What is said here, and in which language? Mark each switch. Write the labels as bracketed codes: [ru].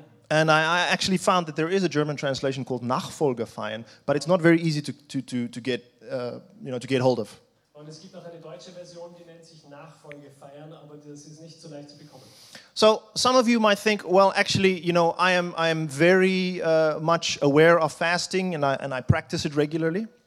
[en] And I actually found that there is a German translation called Nachfolgefeiern, but it's not very easy to get you know, to get hold of. [de] Und es gibt auch eine deutsche Version, die nennt sich Nachfolgefeiern, aber das ist nicht so leicht zu bekommen. [en] So some of you might think, well, actually, you know, I am very much aware of fasting and I practice it regularly.